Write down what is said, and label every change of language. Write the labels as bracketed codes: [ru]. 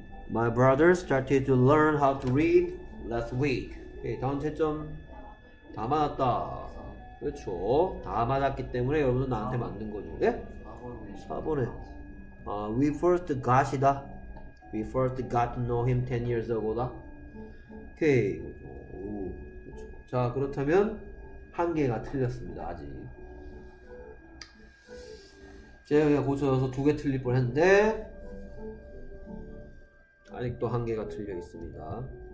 [en] My brother started to learn how to read last week. [ko] 오케이, 다음 채점 다 맞았다. 그렇죠. 다 맞았기 때문에 여러분은 나한테 맞는 거죠. 예? 4번에. [en] We first got [ko] 이다. [en] We first got to know him 10 years ago [ko] 다. 오케이. 그렇죠. 자, 그렇다면 한 개가 틀렸습니다. 아직. 재영이가 고쳐서 두 개 틀릴 뻔했는데. 아직도 한 개가 틀려 있습니다.